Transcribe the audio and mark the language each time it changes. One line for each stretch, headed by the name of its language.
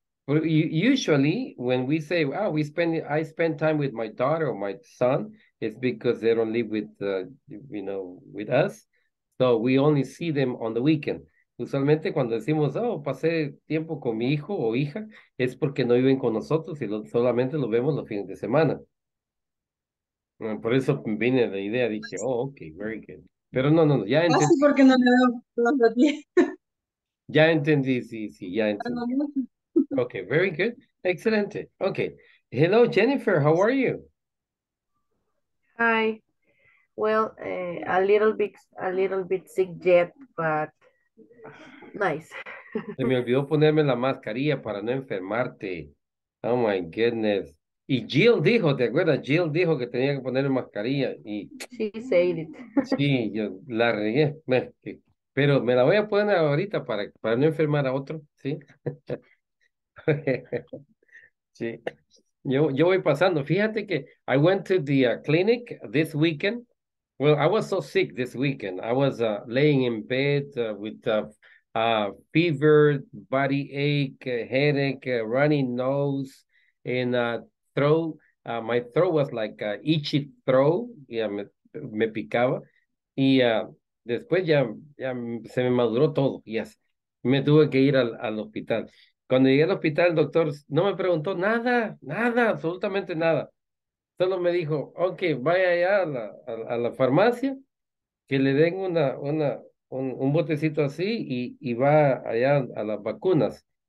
English: Well, usually when we say, "Oh, I spend time with my daughter or my son," it's because they don't live with with us. So we only see them on the weekend.
Spanish: Usualmente cuando decimos, "Oh, pasé tiempo con mi hijo o hija," es porque no viven con nosotros y solamente los vemos los fines de semana. Bueno, por eso vine la idea, dije, "Oh, okay, very good." Pero no, no, no, ya Así entendí. porque no le veo Ya entendí, sí, ya entendí. los
English: Okay, very good. Excelente. Okay. Hello, Jennifer, how are you? Hi. Well, a little bit sick yet, but nice.
Spanish: Se me olvidó ponerme la mascarilla para no enfermarte.
English: Oh my goodness.
Spanish: Y Jill dijo, ¿te acuerdas? Jill dijo que tenía que ponerme mascarilla y
English: She said
Spanish: sí, yo la regué. Pero me la voy a poner ahorita para no enfermar a otro, ¿sí? Sí. Yo voy pasando. Fíjate que
English: I went to the clinic this weekend. Well, I was so sick this weekend. I was laying in bed with a fever, body ache, headache, runny nose, and throat. My throat was like a itchy throat. Yeah,
Spanish: me picaba. Y después ya se me maduró todo, yes. Me tuve que ir al hospital. Cuando llegué al hospital, el doctor no me preguntó nada, nada, absolutamente nada. Solo me dijo, ok, vaya allá a la farmacia, que le den un botecito así y va allá a las vacunas.